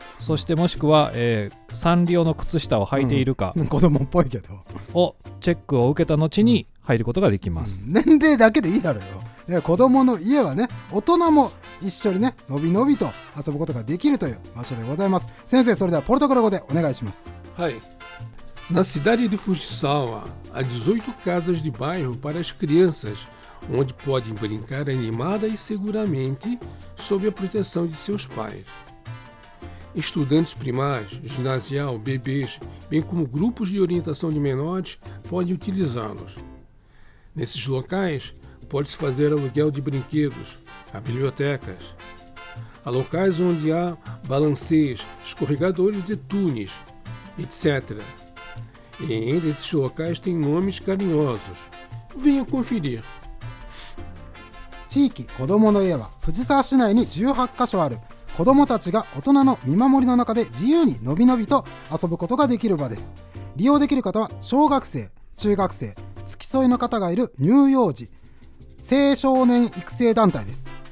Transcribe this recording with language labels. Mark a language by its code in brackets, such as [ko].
[ja] そしてもしくは、サンリオの靴下を履いているか、子供っぽいけどをチェックを受けた後に入ることができます、年齢だけでいいだろうよ。子供の家はね、大人も一緒にね、のびのびと遊ぶことができるという場所でございます。先生、それではポルトガル語でお願いします。はい。 [pt] Na cidade de Fujisawa, há 18 casas de bairro para as crianças, onde podem brincar animada e seguramente sob a proteção de seus pais. Estudantes primários, ginasial, bebês, bem como grupos de orientação de menores podem utilizá-los. Nesses locais, pode-se fazer aluguel de brinquedos, há bibliotecas. Há locais onde há balancês, escorregadores e túneis, etc. E ainda esses locais têm nomes carinhosos. Venha conferir. [ja] 地域子どもの家は藤沢市内に18カ所ある。子どもたちが大人の見守りの中で自由にのびのびと遊ぶことができる場です。利用できる方は小学生、中学生、付き添いの方がいる乳幼児、青少年育成団体です。